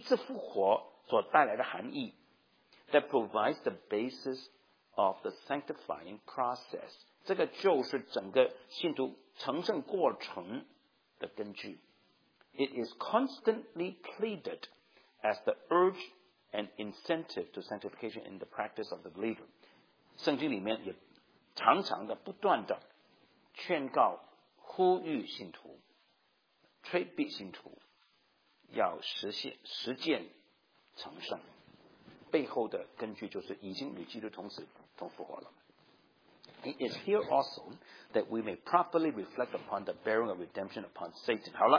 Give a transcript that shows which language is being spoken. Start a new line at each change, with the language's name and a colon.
Chinese: 这个是耶稣基督一次死一次复活所带来的含义，
English: that provides the basis of the sanctifying process.
Chinese: 这个就是整个信徒成圣过程的根据。
English: It is constantly pleaded as the urge and incentive to sanctification in the practice of the believer.
Chinese: 圣经里面也常常的不断的劝告呼吁信徒，催逼信徒要实践成圣，背后的根据就是已经与基督同死。
English: It is here also that we may properly reflect upon the bearing of redemption upon Satan.